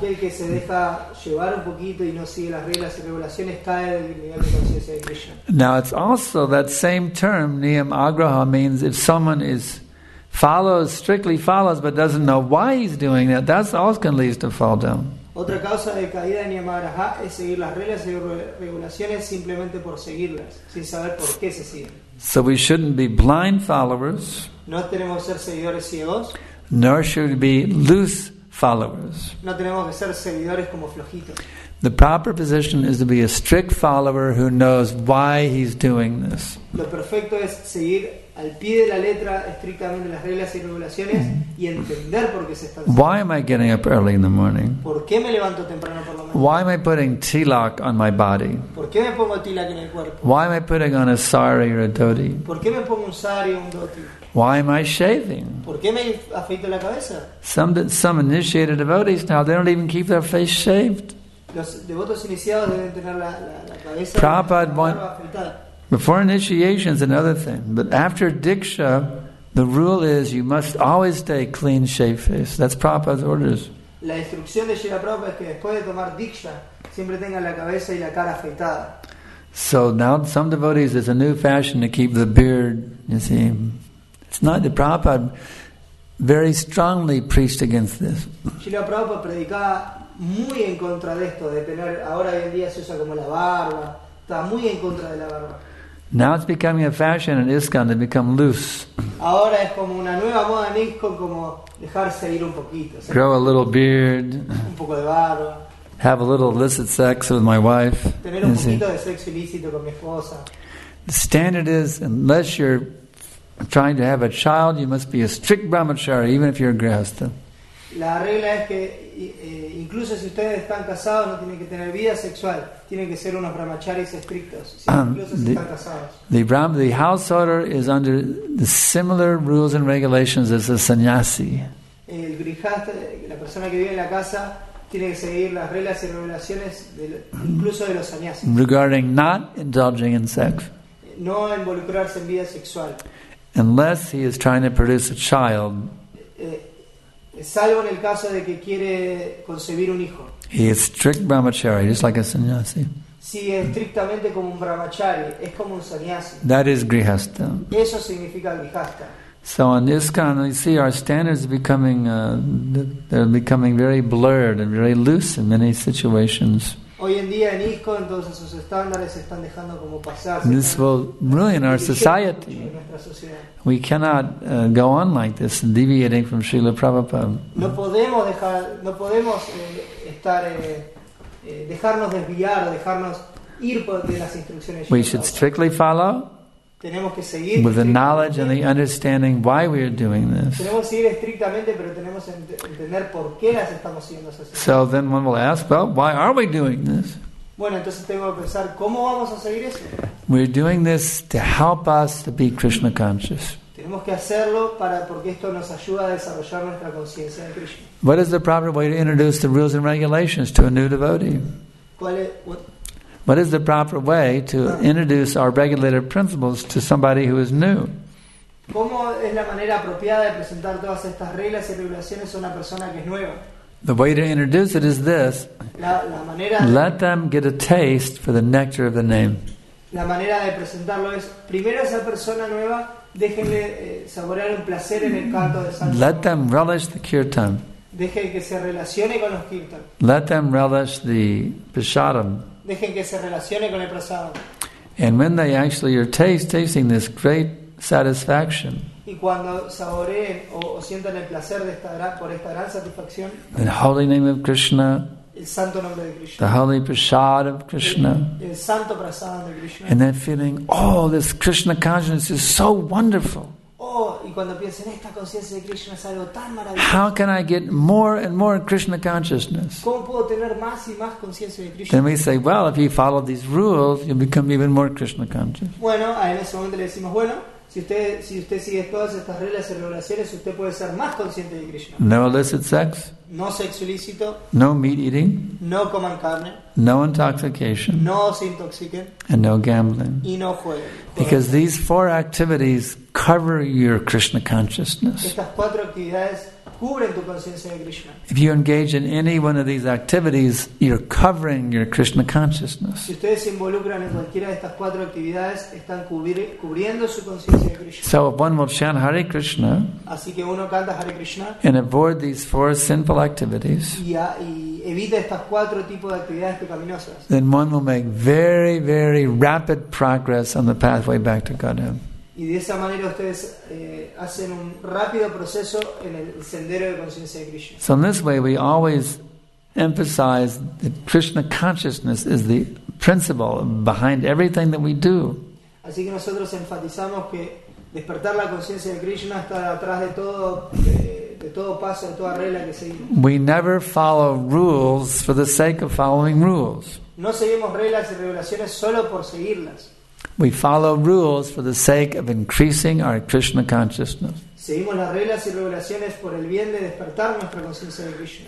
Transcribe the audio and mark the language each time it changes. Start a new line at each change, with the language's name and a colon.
English: Now it's also that same term, niyam agraha, means if someone is follows, strictly follows, but doesn't know why he's doing that, that's also going to lead to fall down.
Spanish: Otra causa de caída de Niyamagraha es seguir las reglas y regulaciones simplemente por seguirlas, sin saber por qué se siguen.
English: So we shouldn't be blind followers.
Spanish: No tenemos que ser seguidores ciegos.
English: Nor should we be loose followers.
Spanish: No tenemos que ser seguidores como flojitos.
English: The proper position is to be a strict follower who knows why he's doing this.
Spanish: Lo perfecto es seguir al pie de la letra estrictamente las reglas y regulaciones y entender por qué se está haciendo.
English: Why am I getting up early in the morning?
Spanish: ¿Por qué me levanto temprano por la mañana?
English: Why am I putting tilak on my body?
Spanish: ¿Por qué me pongo tilak en el cuerpo?
English: Why am I putting on a sari or a dhoti?
Spanish: ¿Por qué me pongo un sari o un dhoti?
English: Why am I shaving?
Spanish: ¿Por qué me afeito la cabeza?
English: Some initiated devotees now, they don't even keep their face shaved.
Spanish: Los devotos iniciados deben tener la cabeza Prabhupada la barba afeitada.
English: Before initiation is another thing, but after diksha, the rule is you must always stay clean shaved face. That's Prabhupada's orders.
Spanish: La instrucción de Shila Prabhupada es que después de tomar diksha, siempre tenga la cabeza y la cara afeitada.
English: So now some devotees, it's a new fashion to keep the beard, you see. It's not the Prabhupada very strongly preached against this.
Spanish: Shila Prabhupada predicaba muy en contra de esto, de tener, ahora hoy en día se usa como la barba. Está muy en contra de la barba.
English: Now it's becoming a fashion in ISKCON to become loose.
Spanish: Ahora es como una nueva moda en ISKCON, como dejarse ir un poquito. ¿Sabes?
English: Grow a little beard.
Spanish: Un poco de barba.
English: Have a little illicit sex with my wife.
Spanish: Tener un poquito de sexo ilícito con mi esposa.
English: The standard is, unless you're trying to have a child, you must be a strict brahmachari, even if you're a grihastha.
Spanish: La regla es que incluso si ustedes están casados no tienen que tener vida sexual, tienen que ser unos brahmacharis estrictos,
English: The householder is under the similar rules and regulations as a sannyasi.
Spanish: El grihastha, la persona que vive en la casa, tiene que seguir las reglas y regulaciones de, incluso de los sannyasis.
English: Regarding not indulging in sex.
Spanish: No involucrarse en vida sexual.
English: Unless he is trying to produce a child.
Spanish: Salvo en el caso de que quiere concebir un hijo.
English: He is strict brahmachari, just like a sannyasi.
Spanish: Si es estrictamente como un brahmachari, es como un sannyasi.
English: That is grihastha.
Spanish: Eso significa grihastha.
English: So on ISKCON, we see our standards becoming they're becoming very blurred and very loose in many situations.
Spanish: Hoy en día en ISKCON, entonces sus estándares se están dejando como pasar.
English: This will ruin our society. We cannot go on like this, deviating from Srila Prabhupada.
Spanish: No podemos dejar, no podemos estar dejarnos desviar o dejarnos ir de las instrucciones.
English: We should strictly follow.
Spanish: Tenemos que seguir
English: with the knowledge and the understanding why we are doing this.
Spanish: Tenemos que seguir estrictamente, pero tenemos que entender por qué las estamos haciendo.
English: So then one will ask, well, why are we doing this?
Spanish: Bueno, entonces tengo que pensar, ¿cómo vamos a seguir eso?
English: We're doing this to help us to be Krishna conscious.
Spanish: Tenemos que hacerlo para, porque esto nos ayuda a desarrollar nuestra conciencia de Krishna.
English: What is the proper way to introduce the rules and regulations to a new devotee? What is the proper way to introduce our regulated principles to somebody who is new?
Spanish: ¿Cómo es la manera apropiada de presentar todas estas reglas y regulaciones a una persona que es nueva?
English: The way to introduce it is this.
Spanish: La manera
English: Let them get a taste for the nectar of the name.
Spanish: La manera de presentarlo es, primero esa persona nueva, déjenle saborear un placer en el canto de Santo.
English: Let them relish the kirtan.
Spanish: Dejen que se relacione con los kirtan.
English: Let them relish the prasadam.
Spanish: Dejen que se relacione con el prasadam.
English: And when they actually are tasting this great satisfaction,
Spanish: y cuando saboreen o sientan el placer de esta gran, por esta gran satisfacción,
English: the holy name of Krishna,
Spanish: el santo nombre de Krishna,
English: the holy prasad of Krishna,
Spanish: el santo prasad de Krishna,
English: and then feeling, oh, this Krishna consciousness is so wonderful.
Spanish: Oh, y cuando piensen, esta conciencia de Krishna es algo tan maravilloso.
English: How can I get more and more Krishna consciousness?
Spanish: ¿Cómo puedo tener más y más conciencia de Krishna?
English: Then we say, well, if you follow these rules, you'll become even more Krishna conscious.
Spanish: Bueno, en ese momento le decimos, bueno, si usted sigue todas estas reglas y regulaciones, usted puede ser más consciente de Krishna.
English: No illicit sex.
Spanish: No sexo ilícito.
English: No meat eating.
Spanish: No coman carne.
English: No intoxication.
Spanish: No se intoxiquen.
English: And no gambling.
Spanish: Y no jueguen.
English: Because these four activities cover your Krishna consciousness.
Spanish: Estas cuatro actividades cubren tu conciencia de Krishna.
English: If you engage in any one of these activities, you're covering your Krishna consciousness.
Spanish: Si ustedes se involucran en cualquiera de estas cuatro actividades, están cubriendo su conciencia de Krishna.
English: So if one will chant Hare Krishna,
Spanish: así que uno canta Hare Krishna,
English: and avoid these four sinful activities,
Spanish: y evita estas cuatro tipos de actividades pecaminosas,
English: then one will make very, very rapid progress on the pathway back to Godhead.
Spanish: Y de esa manera ustedes hacen un rápido proceso en el sendero de conciencia de Krishna.
English: So in this way we always emphasize that Krishna consciousness is the principle behind everything that we do.
Spanish: Así que nosotros enfatizamos que despertar la conciencia de Krishna está detrás de todo paso, de toda regla que seguimos.
English: We never follow rules for the sake of following rules.
Spanish: No seguimos reglas y regulaciones solo por seguirlas.
English: We follow rules for the sake of increasing our Krishna consciousness.
Spanish: Seguimos las reglas y regulaciones por el bien de despertar nuestra conciencia de Krishna.